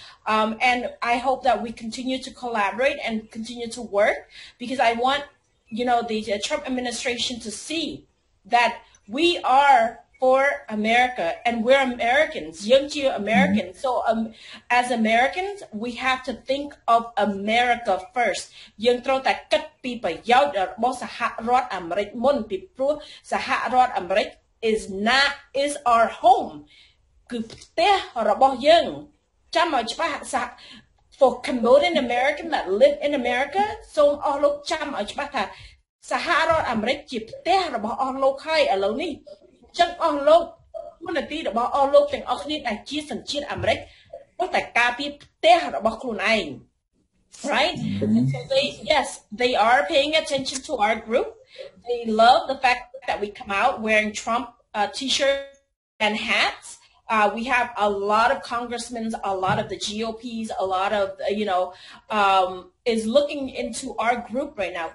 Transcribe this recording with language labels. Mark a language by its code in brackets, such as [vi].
[en] And I hope that we continue to collaborate and continue to work, because I want, you know, the Trump administration to see that we are for America and we're Americans, young to Americans. So as Americans, we have to think of America first. [km] យើងត្រូវតែគិតពីប្រយោជន៍របស់សហរដ្ឋអាមេរិកមុនពីព្រោះសហរដ្ឋអាមេរិក [en] is our home. [km] គឺផ្ទះរបស់យើងចាំឲ្យច្បាស់សា [en] for Cambodian American that live in America, so [km] អស់លោកចាំឲ្យច្បាស់ថាសហរដ្ឋអាមេរិកជាផ្ទះរបស់អស់លោកហើយឥឡូវនេះចឹងអស់លោកមន្តីរបស់អស់លោកទាំងអស់គ្នាដែលជាសញ្ជាតិអាមេរិកគាត់តែការពារផ្ទះរបស់ខ្លួនឯង [en] right? So they are paying attention to our group. They love the fact that we come out wearing Trump t-shirts and hats. We have a lot of congressmen, a lot of the GOPs, a lot of, you know, is looking into our group right now.